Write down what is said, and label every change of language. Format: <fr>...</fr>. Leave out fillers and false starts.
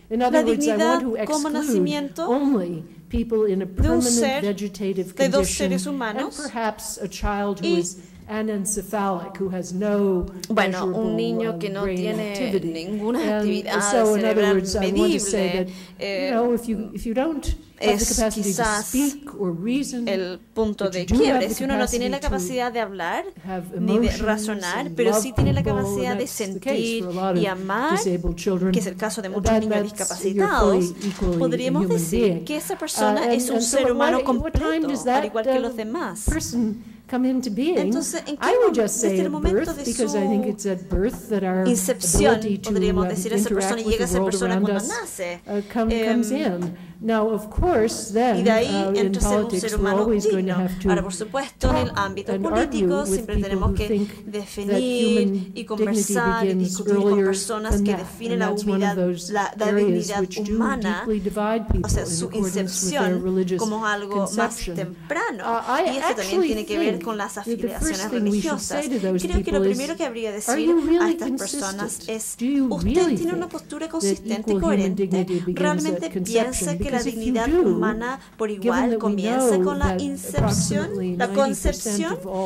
<en>In other words, I want to exclude only people in a permanent vegetative condition, and perhaps a child who is anencephalic, who has no brain activity. So, in other words, I want to say that if you don't have the capacity to speak or reason,</en> <es>si uno no tiene la capacidad de hablar ni de razonar, pero sí tiene la capacidad de sentir y amar, que es el caso de muchos niños discapacitados, podríamos decir que esa persona es un ser humano completo, al igual que los demás.</es> <en>Come into being. I would just say at birth, because I think it's at birth that our ability to interact with the world around us comes in. Now, of course, then in politics we're always going to have to talk and argue with people who think that human dignity begins earlier than that, and that's one of those areas which do deeply divide people in accordance with their religious conception. I actually think</en> <es>con las afiliaciones religiosas. Creo que lo primero que habría que decir a estas personas es: ¿usted tiene una postura consistente y coherente? ¿Realmente piensa que la dignidad humana por igual comienza con la incepción, la concepción?</es>